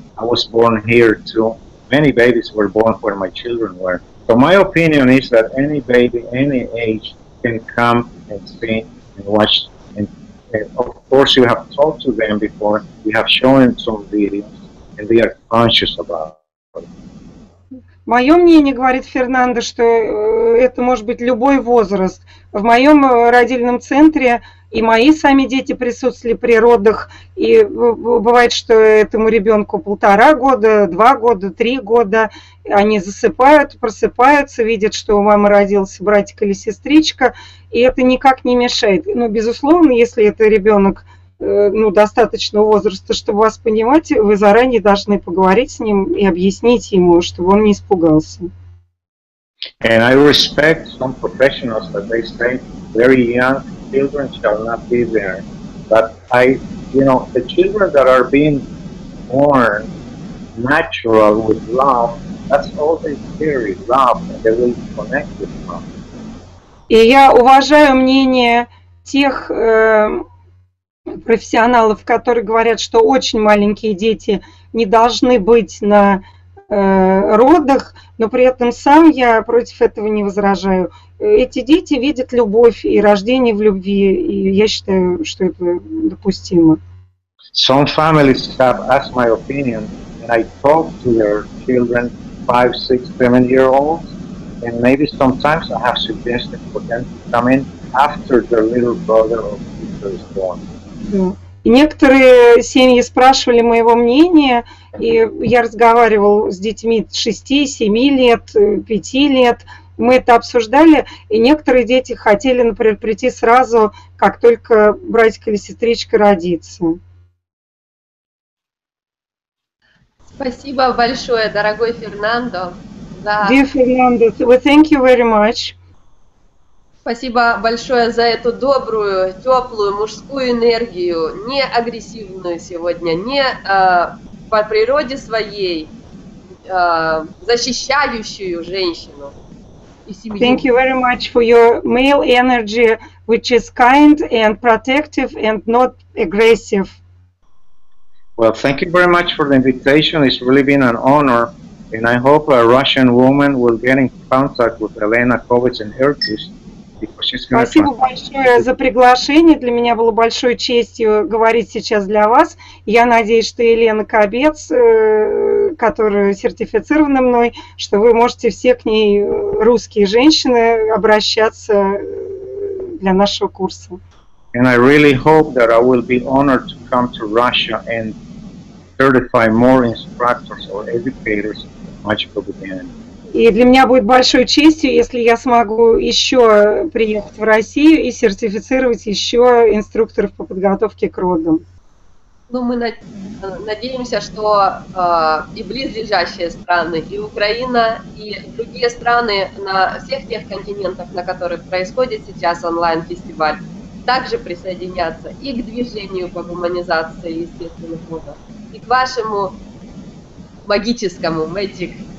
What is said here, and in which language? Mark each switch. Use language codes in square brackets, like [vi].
[en] I was born here too. Many babies were born where my children were. So my opinion is that any baby, any age, can come and see and watch. And of course, you have talked to them before. You have shown some videos, and they are conscious about it. [ru] Мое мнение, говорит Фернандо, что это может быть любой возраст. В моем родильном центре и мои сами дети присутствовали при родах, и бывает, что этому ребенку 1.5 года, 2 года, 3 года, они засыпают, просыпаются, видят, что у мамы родился братик или сестричка, и это никак не мешает. Но, безусловно, если это ребенок достаточного возраста, чтобы вас понимать, вы заранее должны поговорить с ним и объяснить ему, чтобы он не испугался. [en] And I respect some professionals that they say very young children shall not be there. But I, you know, the children that are being born natural with love, that's all they carry, love, and they will connect with love. [ru] И я уважаю мнение тех профессионалов, которые говорят, что очень маленькие дети не должны быть на родах, но при этом сам я против этого не возражаю. Эти дети видят любовь и рождение в любви, и я считаю, что это допустимо. [en] Some families have asked my opinion, and I talk to their children 5, 6, 7 years old, and maybe sometimes I have suggested for them to come in after their little brother or sister is born. [ru] И некоторые семьи спрашивали моего мнения, и я разговаривал с детьми 6, 7 лет, 5 лет, мы это обсуждали, и некоторые дети хотели, например, прийти сразу, как только братик или сестричка родится. Спасибо большое, дорогой Фернандо. [en] Dear Fernando, we thank you very much. [ru] Спасибо большое за эту добрую, теплую мужскую энергию, не агрессивную сегодня, не по природе своей, защищающую женщину и семью. [en] Thank you very much for your male energy, which is kind and protective and not aggressive. Well, thank you very much for the invitation. It's really been an honor. And I hope a Russian woman will get in contact with Elena Kovitz and her case. [ru] Спасибо большое за приглашение. Для меня было большой честью говорить сейчас для вас. Я надеюсь, что Елена Кобец, которая сертифицирована мной, что вы можете все к ней, русские женщины, обращаться для нашего курса. [en] And I really hope that I will be honored to come to Russia and certify more instructors or educators. Much appreciated. [ru] И для меня будет большой честью, если я смогу еще приехать в Россию и сертифицировать еще инструкторов по подготовке к родам. Ну, мы надеемся, что и близлежащие страны, и Украина, и другие страны на всех тех континентах, на которых происходит сейчас онлайн-фестиваль, также присоединятся и к движению по гуманизации естественных родов, и к вашему магическому Magic.